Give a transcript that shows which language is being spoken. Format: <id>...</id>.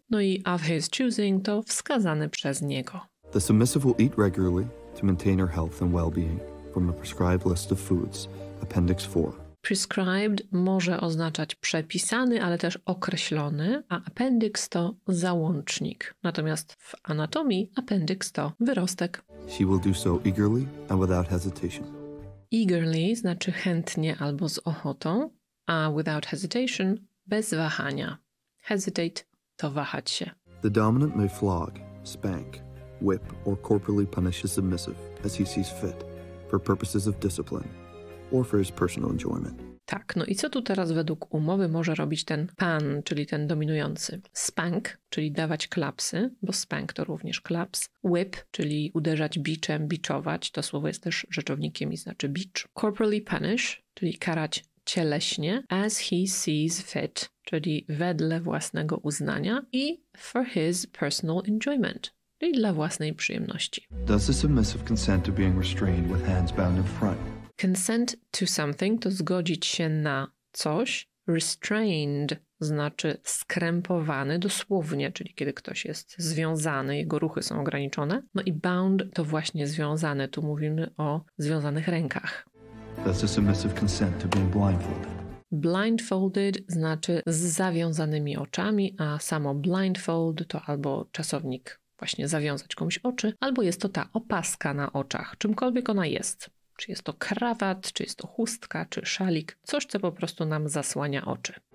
<pl>No i of his choosing to wskazany przez niego.</pl> <en>The submissive will eat regularly to maintain her health and well-being from a prescribed list of foods, appendix 4.</en> <pl>Prescribed może oznaczać przepisany, ale też określony, a appendix to załącznik. Natomiast w anatomii appendix to wyrostek.</pl> <en>She will do so eagerly and without hesitation.</en> <pl>Eagerly znaczy chętnie albo z ochotą, a without hesitation bez wahania. Hesitate to wahać się.</pl> <en>The dominant may flog, spank, whip or corporally punish his submissive as he sees fit for purposes of discipline or for his personal enjoyment.</en> <pl>Tak, no i co tu teraz według umowy może robić ten pan, czyli ten dominujący? Spank, czyli dawać klapsy, bo spank to również klaps. Whip, czyli uderzać biczem, biczować, to słowo jest też rzeczownikiem i znaczy bicz. Corporally punish, czyli karać cieleśnie,</pl> <en>as he sees fit,</en> <pl>czyli wedle własnego uznania i</pl> <en>for his personal enjoyment,</en> <pl>czyli dla własnej przyjemności.</pl> <en>Does the submissive consent to being restrained with hands bound in front?</en> <pl>Consent to something to zgodzić się na coś. Restrained znaczy skrępowany dosłownie, czyli kiedy ktoś jest związany, jego ruchy są ograniczone. No i bound to właśnie związany. Tu mówimy o związanych rękach.</pl> <en>That's a submissive consent to being blindfolded.</en> <pl>Blindfolded znaczy z zawiązanymi oczami, a samo blindfold to albo czasownik właśnie zawiązać komuś oczy, albo jest to ta opaska na oczach, czymkolwiek ona jest. Czy jest to krawat, czy jest to chustka, czy szalik, coś, co po prostu nam zasłania oczy.</pl>